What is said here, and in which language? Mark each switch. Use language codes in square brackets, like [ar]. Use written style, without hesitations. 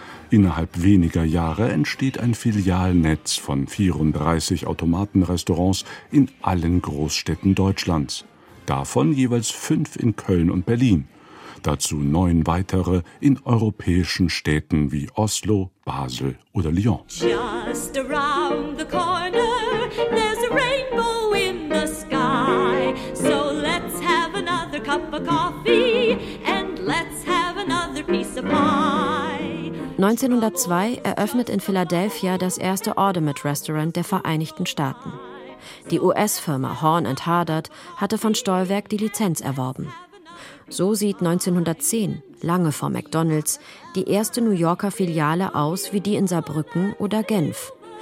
[de] Innerhalb weniger Jahre entsteht ein Filialnetz von 34 Automaten-Restaurants in allen Großstädten Deutschlands. Davon jeweils 5 in Köln und Berlin. Dazu 9 weitere in europäischen Städten wie Oslo, Basel oder Lyon. [en] Just around the corner, there's a rainbow in the sky. So let's have another cup of coffee and let's have another piece of pie. [de] 1902 eröffnet in Philadelphia das erste Automat Restaurant der Vereinigten Staaten. Die US-Firma Horn & Hardart hatte von Stollwerk die Lizenz erworben. So sieht 1910, lange vor McDonald's, die erste New Yorker Filiale aus wie die in Saarbrücken oder Genf.